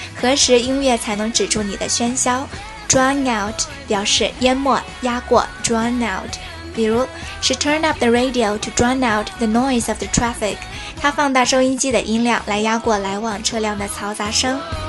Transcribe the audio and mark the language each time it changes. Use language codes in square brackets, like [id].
[zh] 何时音乐才能止住你的喧嚣？ Drown out 表示淹没、压过。 [en] Drown out 比如 She turned up the radio to drown out the noise of the traffic. [zh] 她放大收音机的音量来压过来往车辆的嘈杂声。